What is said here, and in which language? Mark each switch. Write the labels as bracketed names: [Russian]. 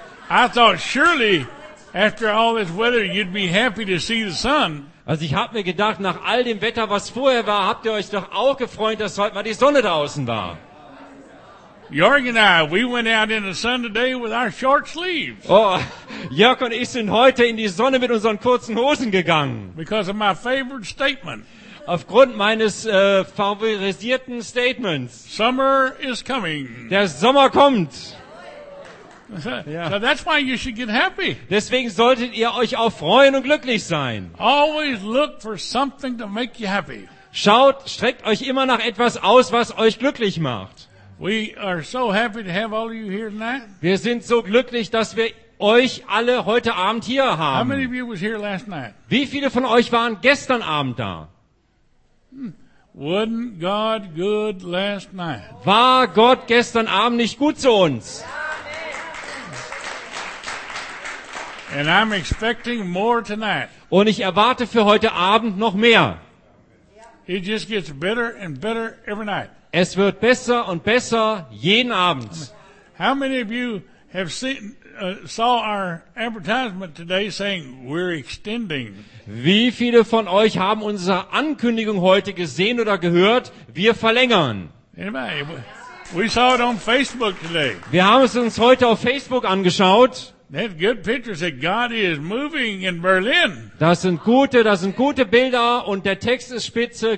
[English] I thought surely after all this weather you'd be happy to see the sun. [German] Also ich habe mir gedacht, nach all dem Wetter, was vorher war, habt ihr euch doch auch gefreut, dass heute mal die Sonne draußen war. [English] Jörg and I, we went out in the sun today with our short sleeves. [German] Oh, Jörg und ich sind heute in die Sonne mit unseren kurzen Hosen gegangen. [English] Because of my favorite statement. [German] Aufgrund meines favorisierten Statements. [English] Summer is coming. [German] Der Sommer kommt. [English] So that's why you should get happy. [German] Deswegen solltet ihr euch auch freuen und glücklich sein. [English] Always look for something to make you happy. [German] Schaut, streckt euch immer nach etwas aus, was euch glücklich macht. [English] We are so happy to have all of you here tonight. [German] Wir sind so glücklich, dass wir euch alle heute Abend hier haben. [English] How many of you was here last night? [German] Wie viele von euch waren gestern Abend da? [English] Wasn't God good last night? [German] War Gott gestern Abend nicht gut zu uns? [English] And I'm expecting more tonight. [German] Und ich erwarte für heute Abend noch mehr. [English] It just gets better and better every night. [German] Es wird besser und besser jeden Abend. [English] How many of you have seen saw our advertisement today saying we're extending? [German] Wie viele von euch haben unsere Ankündigung heute gesehen oder gehört? Wir verlängern. [English] Anybody? We saw it on Facebook today. [German] Wir haben es uns heute auf Facebook angeschaut. [English] That good picture said God is moving in Berlin. [German] Das sind gute Bilder und der Text ist spitze.